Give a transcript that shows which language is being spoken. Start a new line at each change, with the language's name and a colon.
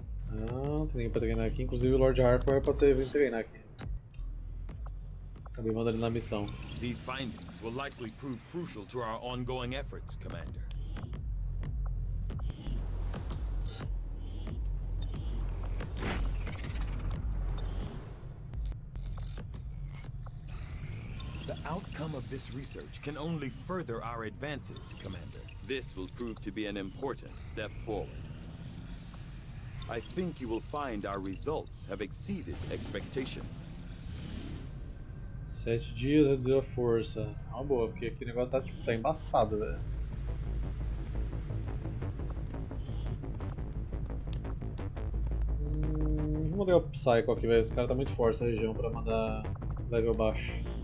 Portuguese: Tem ninguém pra treinar aqui, inclusive o Lord Harper pra ter vindo treinar aqui. Acabei mandando ele na missão.
English: These findings will likely prove crucial to our ongoing efforts, Commander. The outcome of this research can only further our advances, Commander. This will prove to be an important step forward. I think you will find our results have exceeded expectations.
Portuguese: 7 dias reduziu a força. É uma boa, porque aqui o negócio tá, tipo, tá embaçado, velho. Vou mandar o Psycho aqui, velho. Esse cara tá muito forte essa região pra mandar level baixo.